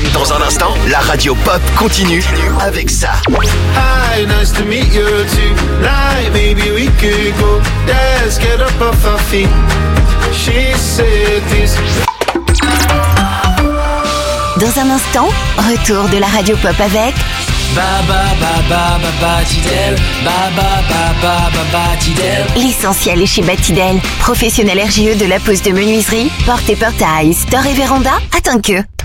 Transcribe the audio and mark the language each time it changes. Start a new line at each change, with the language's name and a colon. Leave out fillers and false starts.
French: Dans un instant, la radio pop continue avec ça.
English: Hi, nice to meet you too. Like, maybe we could go dance, get up off our feet. She said this.
French: Dans un instant, retour de la radio pop avec Baba Baba Baba Tidel. Baba Baba Baba Tidel. L'essentiel est chez Batidel, professionnel RGE de la pose de menuiserie, porte et portail, store et véranda, attends que.